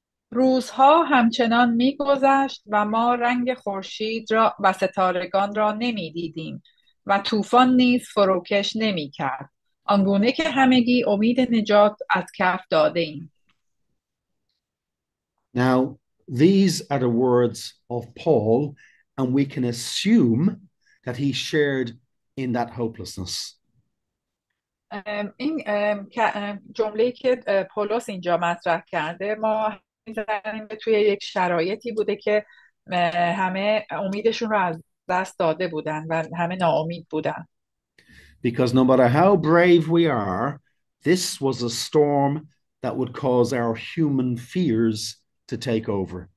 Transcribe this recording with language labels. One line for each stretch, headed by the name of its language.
Persian: روزها همچنان می‌گذشت و ما رنگ خورشید را و ستارگان را نمی‌دیدیم و طوفان نیز فروکش نمی‌کرد، آنگونه که همگی امید نجات از کف داده‌ایم.
English: Now, these are the words of Paul, and we can assume that he shared in that hopelessness.
Persian: این جمله‌ای که پولس اینجا مطرح کرده، ما می‌دانیم توی یک شرایطی بوده که همه امیدشون رو از دست داده بودن و همه ناامید بودن.
English: Because no matter how brave we are, this was a storm that would cause our human fears to take over.